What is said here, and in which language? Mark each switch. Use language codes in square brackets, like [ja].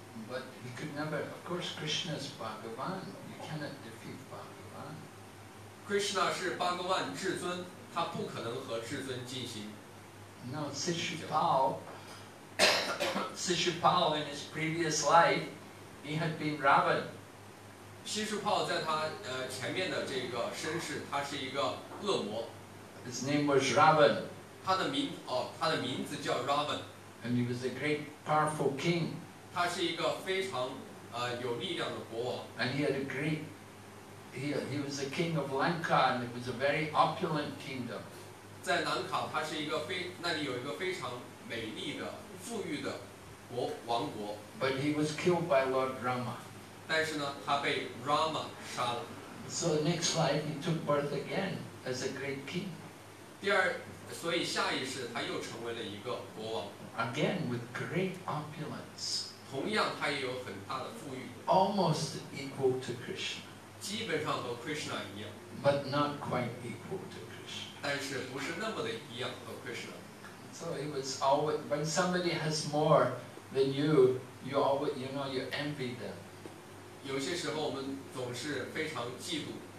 [en] But he could never, of course, Krishna is Bhagavan. You cannot defeat Bhagavan. [zh] Krishna 是巴格万至尊，他不可能和至尊进行。 [en] No, Sishupal in his previous life, he had been Ravan. [zh] 西树泡在他前面的这个身世，他是一个恶魔。 [en] His name was Ravan. [zh] 他的名字叫 Ravan. [en] And he was a great, powerful king. [zh] 他是一个非常有力量的国王。 [en] And he had a great, he was the king of Lanka, and it was a very opulent kingdom. [zh] 在南卡，他是一个非那里有一个非常美丽的富裕的国王国。 [en] But he was killed by Lord Rama. [zh] 但是呢，他被 Rama 杀了。 [en] So the next life he took birth again as a great king. [zh] 第二，所以下一世他又成为了一个国王。 [en] Again with great opulence. [zh] 同样，他也有很大的富裕。 [en] Almost equal to Krishna. [zh] 基本上和 Krishna 一样。 [en] But not quite equal to Krishna. [zh] 但是不是那么的一样和 Krishna. [en] So it was always when somebody has more than you, you always, you know, you envy them. [zh] 有些时候我们总是非常嫉妒。